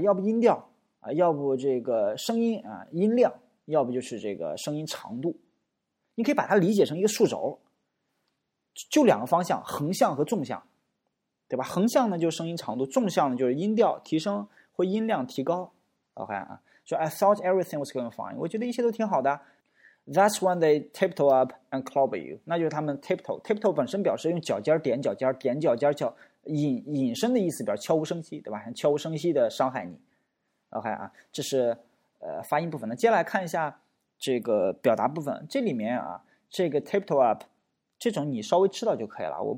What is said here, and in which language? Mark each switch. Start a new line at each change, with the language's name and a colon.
Chinese: 要不音调啊，要不这个声音啊音量，要不就是这个声音长度。你可以把它理解成一个数轴，就两个方向，横向和纵向，对吧？横向呢就是声音长度，纵向呢就是音调提升或音量提高。 OK 啊，说
English: I thought everything was going fine，
Chinese: 我觉得一切都挺好的。
English: That's when they tiptoe up and clobber you.
Chinese: 那就是他们 tiptoe. Tiptoe 本身表示用脚尖点脚尖，点脚尖叫隐身的意思，表示悄无声息，对吧？悄无声息的伤害你。OK 啊，这是发音部分。那接下来看一下这个表达部分。这里面啊，这个 tiptoe up 这种你稍微知道就可以了。